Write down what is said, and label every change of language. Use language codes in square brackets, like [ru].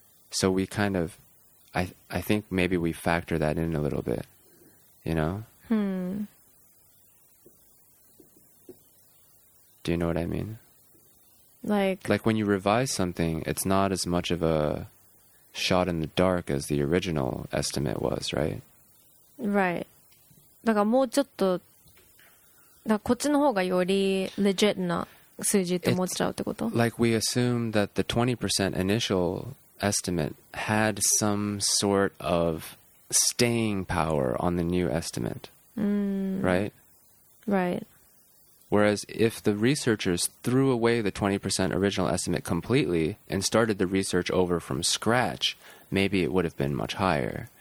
[en] So we kind of, I think maybe we factor that in a little bit, you know? Do you know what I mean? Like when you revise something, it's not as much of a shot in the dark as the original estimate was, right? Right. [ja] だからもうちょっと、だからこっちの方がより legit な数字って思っちゃうってこと? [en] Like we assume that the 20% initial estimate had some sort of staying power on the new estimate. Right? Right. Whereas if the researchers threw away the 20% original estimate completely and started the research over from scratch, maybe it would have been much higher.